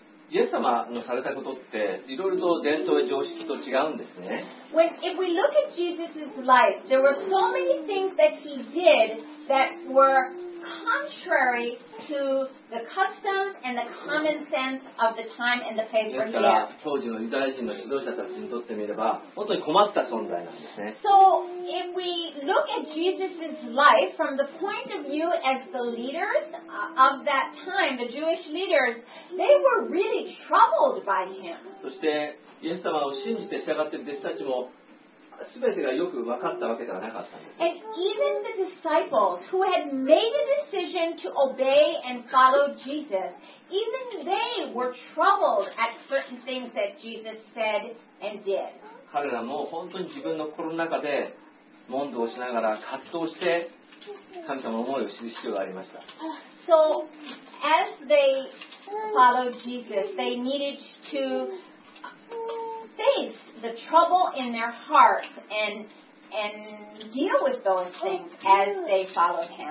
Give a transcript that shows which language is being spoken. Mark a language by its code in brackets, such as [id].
[ja] イエス様のされたことっていろいろと伝統や常識と違うんですね。 [en] When, if we look at Jesus' life, there were so many things that he did that were contrary to the customs and the common sense of the time and the place where he lived. [ja] 当時のユダヤ人の指導者たちにとってみれば本当に困った存在なんですね。 [en] So if we look at Jesus' life from the point of view as the leaders of that time, the Jewish leaders, they were really troubled by him. [ja] そしてイエス様を信じて従っている弟子たちも全てがよく分かったわけではなかったんです。 [en] And even the disciples who had made a decision to obey and follow Jesus, even they were troubled at certain things that Jesus said and did. [ja] 彼らも本当に自分の心の中で問答しながら葛藤して神様の思いを知る必要がありました。 [en] So as they followed Jesus, they needed to face the trouble in their hearts and deal with those things as they followed him.